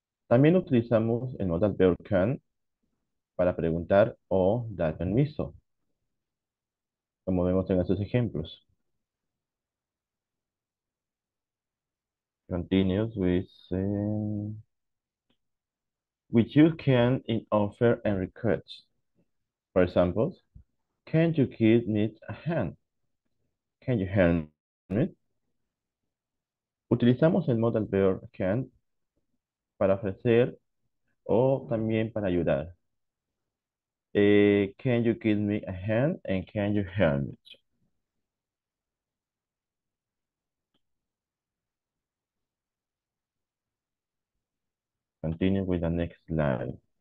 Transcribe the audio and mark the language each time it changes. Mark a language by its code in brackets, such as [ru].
[es] También utilizamos el modal verb can para preguntar o dar permiso, como vemos en estos ejemplos. [en] Continues with you can in offer and request. For example, can you give me a hand? Can you help me? [es] Utilizamos el modal verb can para ofrecer o también para ayudar. [en] Can you give me a hand and can you help me? Continue with the next slide.